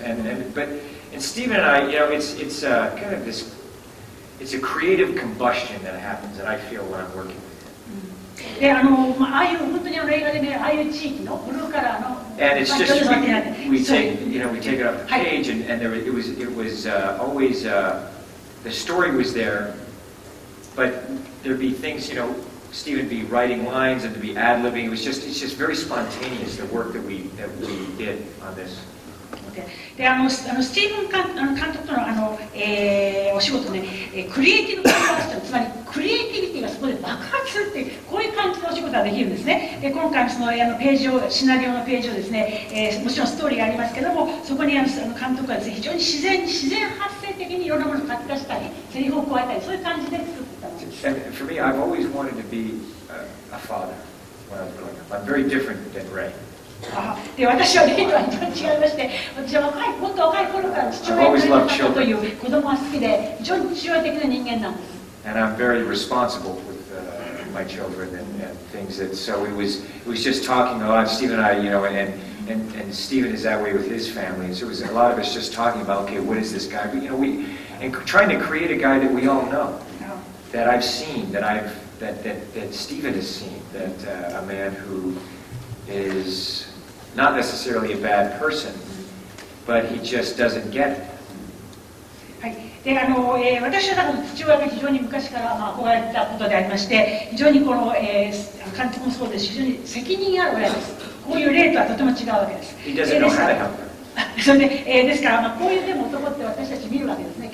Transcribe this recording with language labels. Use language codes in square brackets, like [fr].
[en] And Stephen and I, you know, it's a kind of this, it's a creative combustion that happens that I feel when I'm working. [ja] でああいう本当に映画でね、ああいう地域のブルーカラーの [en] And it's just, we take it off the page、 [ja] はい、 [en] and there, it was always, the story was there, but there'd be things, you know, Stephen would be writing lines and there'd be ad-libbing, it's just very spontaneous, the work that we did on this. [ja] でスティーブン監督との、お仕事ね、クリエイティブコンバーション、つまりクリエイティビティがそこで爆発するっていう、こういう感じのお仕事ができるんですね。で今回そのページを、シナリオのページをですね、もちろんストーリーがありますけども、そこに監督は、ね、非常に自然発生的にいろんなものを書き出したり、セリフを加えたり、そういう感じで作ってたんです。 [en] For me, I've always wanted to be a father when I was growing up. I'm very different than Ray. [ja] で私はレイとは一番違いまして、私は若い、もっと若い頃から父親になりたかったという子供が好きで、非常に父親的な人間なんです。 [en] And I'm very responsible with my children and things that, so it was just talking a lot, Stephen and I, you know, and Stephen is that way with his family, so it was a lot of us just talking about, okay, what is this guy, but, you know, we, and trying to create a guy that we all know, that I've seen, that I've, that Stephen has seen, that a man who is not necessarily a bad person, but he just doesn't get it. [ja] であの私は父親が非常に昔から憧れたことでありまして、非常にこの、監督もそうですし、非常に責任ある親です。こういう例とはとても違うわけです。ですから、こういう例も男って私たち見るわけですね。